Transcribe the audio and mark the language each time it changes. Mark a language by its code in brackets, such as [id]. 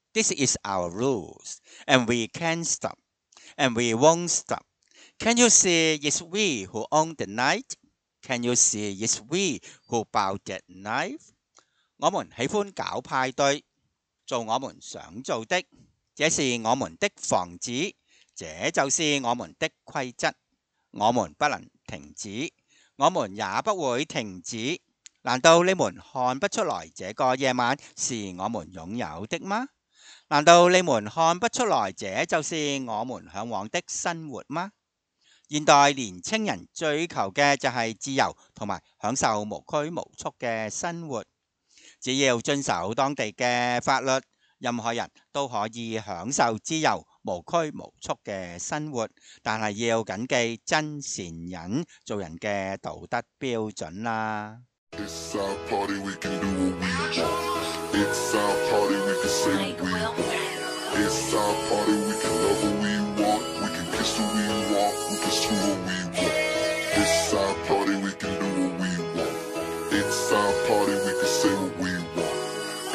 [en] This is our rules, and we can't stop, and we won't stop. Can you see it's we who own the night? Can you see it's we who bow the knife? [zh] 我们喜欢搞派对，做我们想做的，这是我们的房子，这就是我们的规则。我们不能停止，我们也不会停止。难道你们看不出来这个夜晚是我们拥有的吗？难道你们看不出来这就是我们向往的生活吗？现代年轻人追求的就是自由和享受无拘无束的生活。只要遵守当地的法律，任何人都可以享受自由无拘无束的生活，但是要谨记真善忍做人的道德标准啦。 [en] It's our party, we can do what we want. It's our party, we can say what we want. It's our party, we can love who we want. We can kiss who we want, we can screw who we want. It's our party, we can do what we want. It's our party, we can say what we want.